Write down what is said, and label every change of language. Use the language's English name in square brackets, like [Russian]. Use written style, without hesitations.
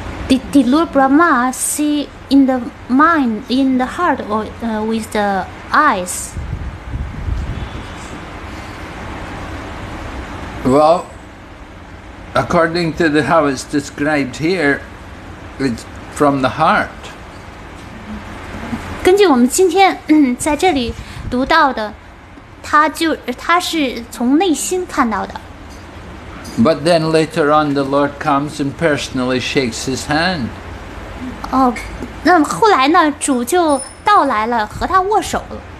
[English] did the Lord Brahma see in the mind, in the heart, or with the eyes? Well, according to how it's described here, it's. From the heart. [Chinese] 根据我们今天在这里读到的，他是从内心看到的。 [English] But then later on, the Lord comes and personally shakes his hand. [Chinese] 哦，那后来呢？主就到来了，和他握手了。